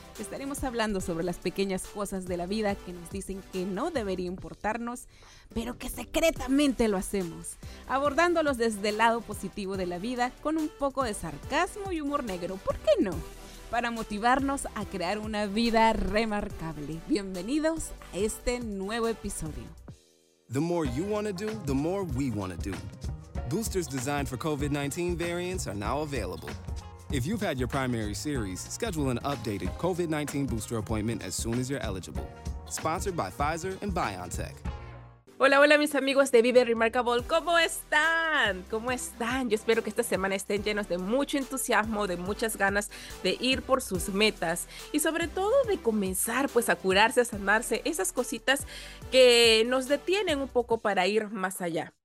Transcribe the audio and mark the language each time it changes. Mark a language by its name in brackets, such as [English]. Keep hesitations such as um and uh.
[Spanish] Estaremos hablando sobre las pequeñas cosas de la vida que nos dicen que no debería importarnos, pero que secretamente lo hacemos, abordándolos desde el lado positivo de la vida con un poco de sarcasmo y humor negro, ¿por qué no? para motivarnos a crear una vida remarcable. Bienvenidos a este nuevo episodio. [English] The more you want to do, the more we want to do. Boosters designed for COVID 19 variants are now available. If you've had your primary series, schedule an updated COVID 19 booster appointment as soon as you're eligible. Sponsored by Pfizer and BioNTech. [Spanish] Hola, hola mis amigos de Vive Remarkable, ¿cómo están? ¿Cómo están? Yo espero que esta semana estén llenos de mucho entusiasmo, de muchas ganas de ir por sus metas y sobre todo de comenzar pues a curarse, a sanarse, esas cositas que nos detienen un poco para ir más allá.